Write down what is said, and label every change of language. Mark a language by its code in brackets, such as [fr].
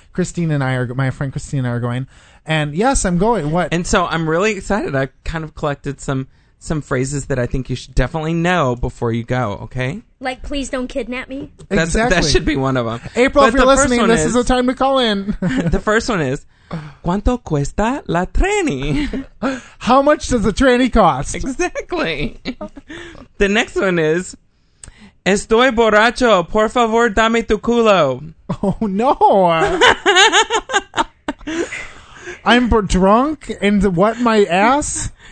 [en] My friend Christine and I are going. And yes, I'm going. What? And so I'm really excited. I kind of collected some phrases that I think you should definitely know before you go, okay? Like, please don't kidnap me? Exactly. That should be one of them. April, but if you're listening, this is the time to call in. The first one is, [es] ¿cuánto cuesta la tranny? [en] How much does a tranny cost? Exactly. The next one is, [es] estoy borracho, por favor, dame tu culo. [en] Oh, no. I'm drunk and what, my ass?